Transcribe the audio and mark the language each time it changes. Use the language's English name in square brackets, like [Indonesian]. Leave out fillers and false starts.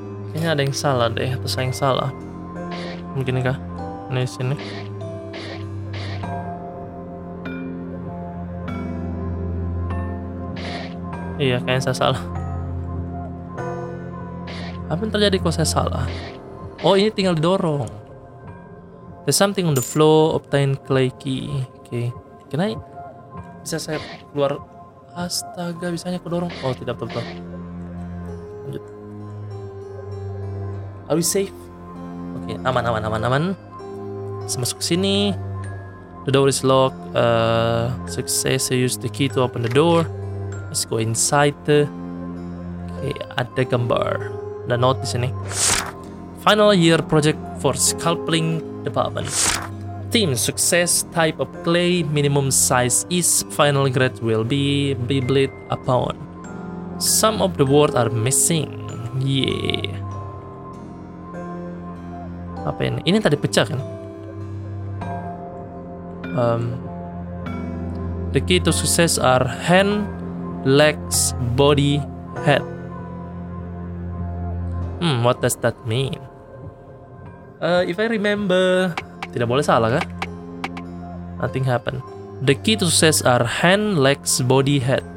[Indonesian] Kayaknya ada yang salah deh, atau saya yang salah. Mungkin kah? Ini sini. Iya, kayaknya saya salah. Apa yang terjadi kalau saya salah? Oh, ini tinggal didorong. [English] There's something on the floor, obtain clay key. [Indonesian] Oke, okay. [English] Can I? [Indonesian] Bisa saya keluar? Astaga, bisanya kedorong. Oh, tidak, betul-betul. Lanjut. [English] Are we safe? [Indonesian] Oke, okay, aman, aman, aman, aman. Saya masuk ke sini. [English] The door is locked. Success, I use the key to open the door. Let's go inside. [Indonesian] Oke, okay, ada gambar. Ada note di sini. [English] Final year project for scalping department. Team success, type of clay, minimum size is, final grade will be bibbled upon. Some of the words are missing. Yeah. [Indonesian] Apa ini? Ini tadi pecah kan? [English] The key to success are hand, legs, body, head. What does that mean? If I remember, [Indonesian] tidak boleh salah kah? [English] Nothing happen. The key to success are hand, legs, body, head.